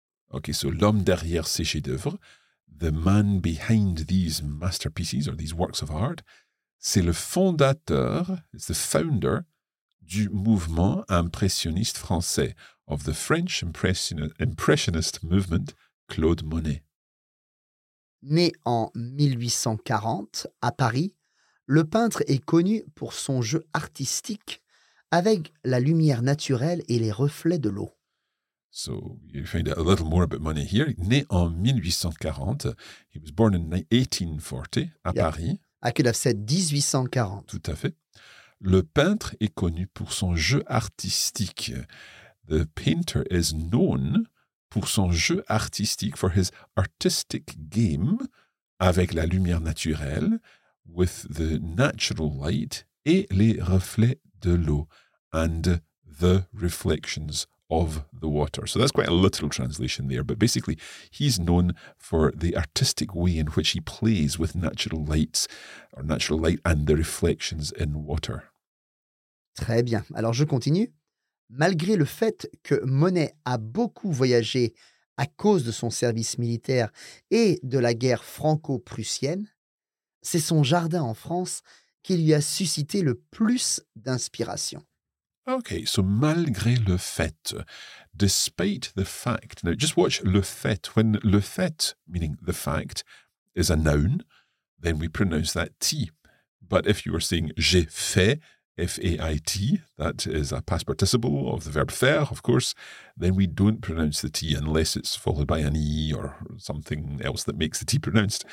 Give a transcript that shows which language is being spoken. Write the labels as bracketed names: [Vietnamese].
[English] Okay, so [French] l'homme derrière ces chefs-d'œuvre, [English] the man behind these masterpieces or these works of art, [French] c'est le fondateur, [English] it's the founder, [French] du mouvement impressionniste français, [English] of the French Impressionist Movement, Claude Monet. [French] Né en 1840 à Paris, le peintre est connu pour son jeu artistique avec la lumière naturelle et les reflets de l'eau. [English] So, you find out a little more about Monet here. [French] Né en 1840, [English] he was born in 1840 [French] à Paris. À Quai d'Orsay 1840. Tout à fait. Le peintre est connu pour son jeu artistique. [English] The painter is known [French] pour son jeu artistique, [English] for his artistic game, [French] avec la lumière naturelle, [English] with the natural light, [French] et les reflets de l'eau, [English] and the reflections of the water. So that's quite a literal translation there, but basically, he's known for the artistic way in which he plays with natural lights, or natural light and the reflections in water. [French] Très bien. Alors, je continue. Malgré le fait que Monet a beaucoup voyagé à cause de son service militaire et de la guerre franco-prussienne, c'est son jardin en France qui lui a suscité le plus d'inspiration. [English] OK, so [French] malgré le fait, [English] despite the fact, now just watch le fait, when le fait, meaning the fact, is a noun, then we pronounce that T. But if you were saying [French] j'ai fait, [English] F-A-I-T, that is a past participle of the verb faire, of course, then we don't pronounce the T unless it's followed by an E or something else that makes the T pronounced.